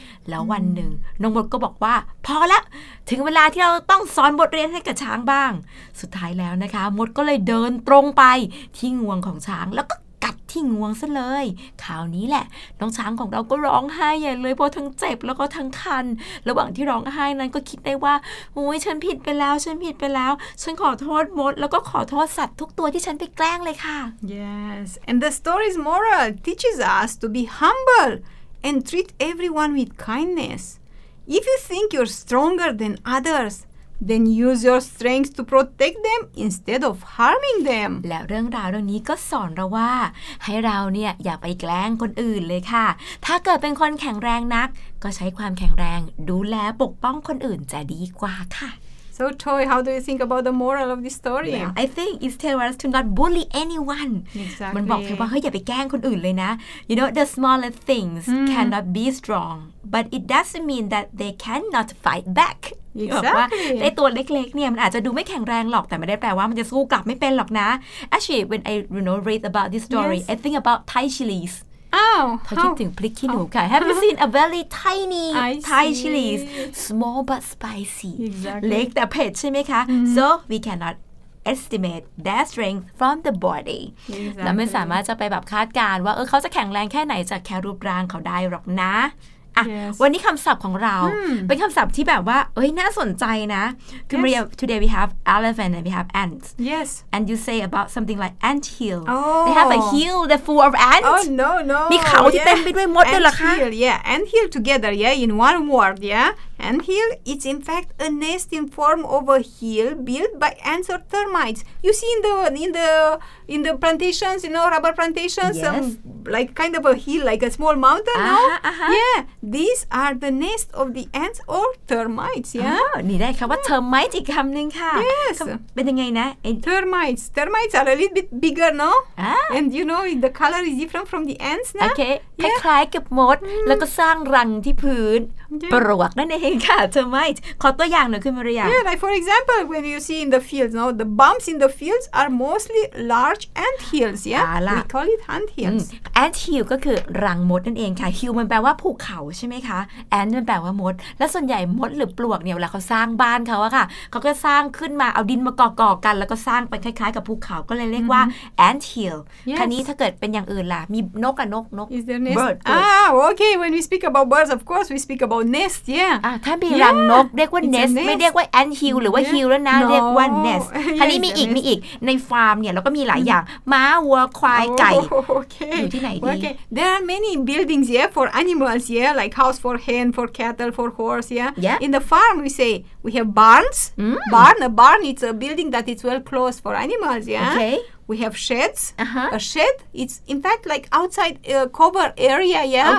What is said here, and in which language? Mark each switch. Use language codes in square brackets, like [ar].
[th] แล้ววันหนึ่งน้องมดก็บอกว่าพอแล้วถึงเวลาที่เราต้องสอนบทเรียนให้กับช้างบ้างสุดท้ายแล้วนะคะมดก็เลยเดินตรงไปที่งวงของช้างแล้วก็กัดที่งวงซะเลยคราวนี้แหละน้องช้างของเราก็ร้องไห้ใหญ่เลยเพราะทั้งเจ็บแล้วก็ทั้งคันระหว่างที่ร้องไห้นั้นก็คิดได้ว่าโอ้ยฉันผิดไปแล้วฉันผิดไปแล้วฉันขอโทษมดแล้วก็ขอโทษสัตว์ทุกตัวที่ฉันไปแกล้งเลยค่ะ [en] yes and the story's moral teaches us to be humbleAnd treat everyone with kindness. If you think you're stronger than others, then use your strength to protect them instead of harming them. [th] แล้วเรื่องราวเรื่องนี้ก็สอนเราว่าให้เราเนี่ยอย่าไปแกล้งคนอื่นเลยค่ะถ้าเกิดเป็นคนแข็งแรงนักก็ใช้ความแข็งแรงดูแลปกป้องคนอื่นจะดีกว่าค่ะ [en] So Toy, how do you think about the moral of this story? Well, I think it's telling us to not bully anyone. Exactly. [th] มันบอกเธอว่าเฮ้ยอย่าไปแกล้งคนอื่นเลยนะ [en] You know, the smallest things cannot be strong. But it doesn't mean that they cannot fight back. Exactly. [th] ไอ้ตัวเล็กๆเนี่ยมันอาจจะดูไม่แข็งแรงหรอกแต่ไม่ได้แปลว่ามันจะสู้กลับไม่เป็นหรอกนะ [en] Actually, when I, you know, read about this story, yes. I think about Thai chilies. [th] เขาคิดถึงพริกขี้หนูค่ะ [en] Have you seen a very tiny Thai chilies? Small but spicy. Exactly. [th] เล็กแต่เผ็ดใช่ไหมคะ [en] So we cannot estimate their strength from the body. Exactly. [th] เราไม่สามารถจะไปแบบคาดการณ์ว่าเขาจะแข็งแรงแค่ไหนจากแค่รูปร่างเขาได้หรอกนะวันนี้คำศัพท์ของเราเป็นคำศัพท์ที่แบบว่าเอ้ยน่าสนใจนะ [en] Today we have elephant and we have ants. Yes. And you say about something like ant hill. Oh. They have a hill that full of ants. Oh no no. [th] มีเขาที่เต็มไปด้วยมดด้วยเหรอคะ [en] Ant hill. Yeah. Ant hill together. Yeah. In one word. Yeah. Ant hill. It's in fact a nest in form of a hill built by ants or termites. You see in the plantations, you know, rubber plantations. Yes. Like kind of a hill, like a small mountain. Uh-huh, no. Uh-huh. Yeah. These are the nest of the ants or termites. Yeah. [th] นี่ได้คำว่า termite อีกคำหนึ่งค่ะ [en] Yes. [th] เป็นยังไงนะ [en] Termites. Termites are a little bit bigger, no? Uh-huh. And you know the color is different from the ants, no? Okay. Yeah. [th] คล้ายๆกับมด แล้วก็สร้างรังที่พื้น ปลวกนั่นเองค่ะ termite. ขอตัวอย่างหน่อยคุณมารยา [en] Yeah. Like for example, when you see in the fields, no, the bumps in the fields are mostly large ant hills. Yeah. We call it ant hills. [th] Ant hill ก็คือรังมดนั่นเองค่ะ hill มันแปลว่าภูเขาใช่ไหมคะแอนมันแปลว่ามดและส่วนใหญ่มดหรือปลวกเนี่ยเวลาเขาสร้างบ้านเขาอะค่ะเขาก็สร้างขึ้นมาเอาดินมาก่อก่อกันแล้วก็สร้างเป็นคล้ายๆกับภูเขาก็เลยเรียกว่า ant hill คราวนี้ถ้าเกิดเป็นอย่างอื่นล่ะมีนกอะนก [en] Is there nest? Bird okay when we speak about birds of course we speak about nest yeah [th] ถ้ามีรังนกเรียกว่า nest ไม่เรียกว่า ant hill หรือว่า hill แล้วนะ [en] no. [th] เรียกว่า nest คราวนี้มีอีกในฟาร์มเนี่ยเราก็มีหลายอย่างม้าวัวควายไก่ [en] okay. [th] อยู่ที่ไหนดี [en] there are many buildings yeah for animals yeahLike house for hen, for cattle, for horse, yeah? Yeah. In the farm, we say, we have barns. Barn, a barn, it's a building that is well closed for animals, yeah? Okay. We have sheds. Uh-huh. A shed, it's in fact like outside cover area, yeah?